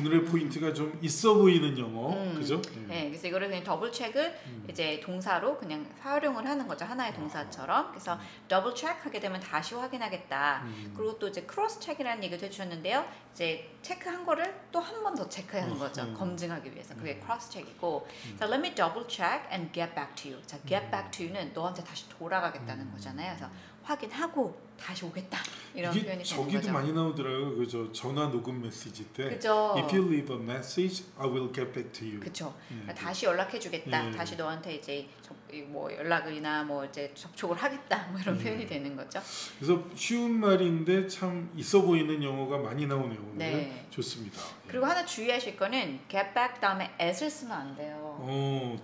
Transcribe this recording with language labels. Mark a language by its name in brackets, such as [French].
[Korean] 오늘의 포인트가 좀 있어 보이는 영어, 그죠? 네. 네, 그래서 이거를 그냥 double check을 이제 동사로 그냥 활용을 하는 거죠. 하나의 동사처럼. 그래서 double check 하게 되면 다시 확인하겠다. 그리고 또 이제 cross check이라는 얘기도 해주셨는데요. 이제 체크한 거를 또 한 번 더 체크하는 거죠. 검증하기 위해서 그게 cross check이고. [English] So let me double check and get back to you. [Korean] 자, get back to you는 너한테 다시 돌아가겠다는 거잖아요. 그래서 확인하고 다시 오겠다 이런 표현이 되는 거죠. 저기도 많이 나오더라고요. 그죠? 전화 녹음 메시지 때 그죠? [English] If you leave a message, I will get back to you. [Korean] 그쵸. 예. 다시 연락해 주겠다. 예. 다시 너한테 이제 뭐 연락이나 뭐 이제 접촉을 하겠다 뭐 이런 예. 표현이 되는 거죠. 그래서 쉬운 말인데 참 있어 보이는 영어가 많이 나오네요. 오늘 네. 좋습니다. 예. 그리고 하나 주의하실 거는 get back 다음에 at을 쓰면 안 돼요.